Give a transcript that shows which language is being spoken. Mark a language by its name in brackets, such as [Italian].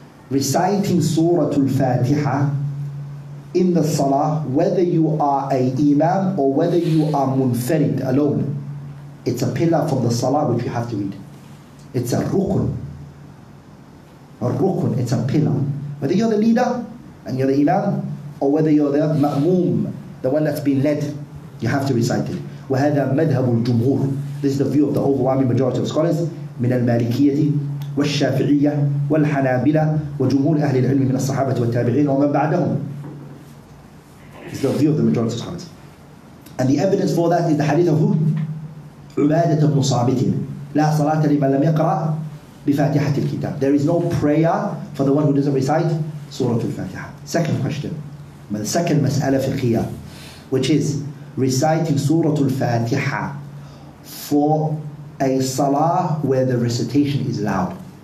[English] Reciting Surah Al-Fatiha in the Salah, whether you are an Imam or whether you are munfarid alone, it's a pillar from the Salah which you have to read. It's a rukun. A rukun, it's a pillar. Whether you're the leader and you're the imam, or whether you're the ma'moom, the one that's been led, you have to recite it. [Arabic] وَهَذَا مَذْهَبُ الْجُمْهُورِ [English] This is the view of the overwhelming majority of scholars. [Arabic] مِنَ الْمَالِكِيَةِ وَالشَّافِعِيَّةِ وَالْحَنَابِلَةِ وَجُمْهُورِ أَهْلِ الْعِلْمِ مِنَ الصَّحَابَةِ وَالتَّابِعِينَ وَمَنْ بَعْدَهُمْ [English] It's the view of the majority of scholars. And the evidence for that is the hadith of who? [Arabic] عُبَادَةَ بْنُ صَابِتٍ لَا صَلَاةَ لِمَنْ لَمْ يَقْرَأْ بِفَاتِحَةِ الْكِتَابِ [English] There is no prayer for the one who doesn't recite Surah Al-Fatiha. Second question. The second mas'ala fi al-qiyam, which is reciting Surah Al-Fatiha for a salah where the recitation is loud.